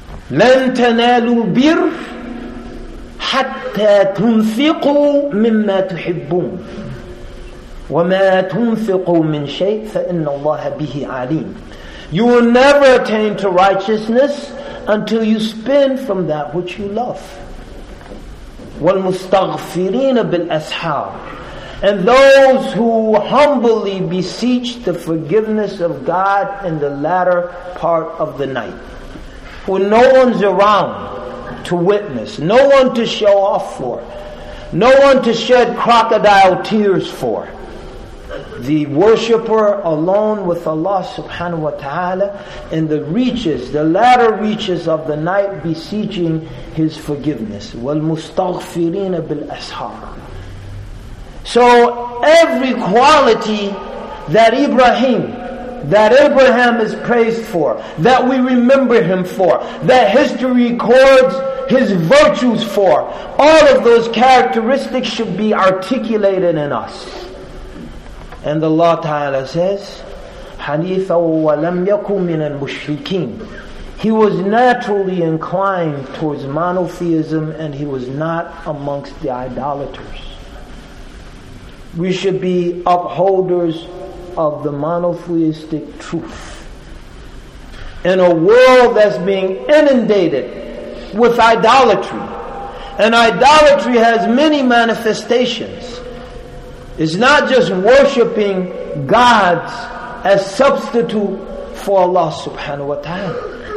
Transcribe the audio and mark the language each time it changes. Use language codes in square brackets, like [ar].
[ar] لن تنالوا البر حتى تنفقوا مما تحبون وما تنفقوا من شيء فإن الله به عليم. [en] You will never attain to righteousness until you spend from that which you love. [ar] والمستغفرين بالأسحار, [en] and those who humbly beseech the forgiveness of God in the latter part of the night, when no one's around to witness, no one to show off for, no one to shed crocodile tears for, the worshipper alone with Allah subhanahu wa ta'ala in the reaches, the latter reaches of the night, beseeching His forgiveness. [ar] وَالْمُسْتَغْفِرِينَ بِالْأَسْحَارِ. [en] So every quality that Abraham is praised for, that we remember him for, that history records his virtues for, all of those characteristics should be articulated in us. And Allah Ta'ala says, [ar] حَنِيفًا وَلَمْ يَكُمْ مِنَ الْمُشْرِكِينَ. [en] He was naturally inclined towards monotheism and he was not amongst the idolaters. We should be upholders of the monotheistic truth. In a world that's being inundated with idolatry, and idolatry has many manifestations, it's not just worshipping gods as substitute for Allah subhanahu wa ta'ala.